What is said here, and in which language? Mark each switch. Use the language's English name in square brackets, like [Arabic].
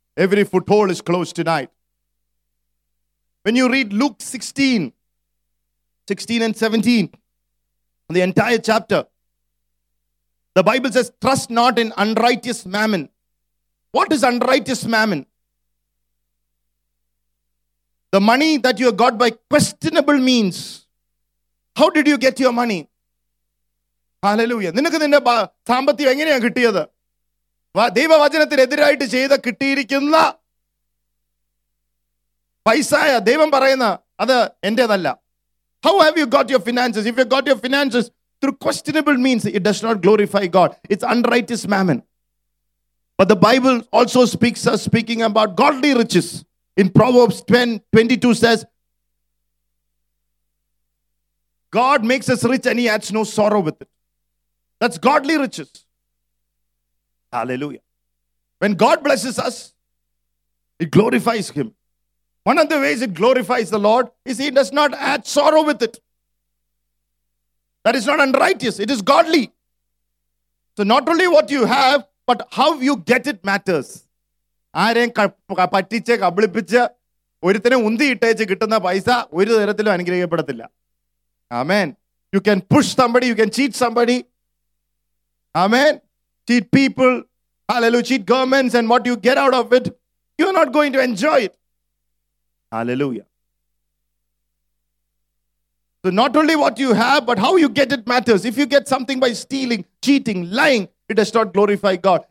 [English] Every foothold is closed tonight. When you read Luke 16 and 17, the entire chapter, the Bible says, trust not in unrighteous mammon. What is unrighteous mammon? The money that you have got by questionable means. How did you get your money? Hallelujah. [Malayalam] നിനക്ക് നിന്റെ സാമ്പത്തികം എങ്ങനെയാണ് കിട്ടിയത്? ദൈവവചനത്തിനെതിരായിട്ട് ചെയ്ത കിട്ടിയിരിക്കുന്ന പൈസയ, ദൈവം പറയുന്ന അത് എന്റേതല്ല. [English] How have you got your finances? If you got your finances through questionable means, it does not glorify God. It's unrighteous mammon. But the Bible also speaking about godly riches. In Proverbs 22 says, God makes us rich and he adds no sorrow with it. That's godly riches. Hallelujah. When God blesses us, it glorifies him. One of the ways it glorifies the Lord is he does not add sorrow with it. That is not unrighteous. It is godly. So not only what you have, but how you get it matters. [Malayalam] ആരെയും പറ്റിച്ച് കബളിപ്പിച്ച് ഒരുത്തിനെ ഉന്തി ഇട്ടേച്ച് കിട്ടുന്ന പൈസ ഒരു തരത്തിലും അനുഗ്രഹിക്കപ്പെടത്തില്ല. [English] Amen. You can push somebody, you can cheat somebody. Amen. Cheat people, hallelujah, cheat governments, and what you get out of it, you're not going to enjoy it. Hallelujah. So not only what you have, but how you get it matters. If you get something by stealing, cheating, lying, it does not glorify God.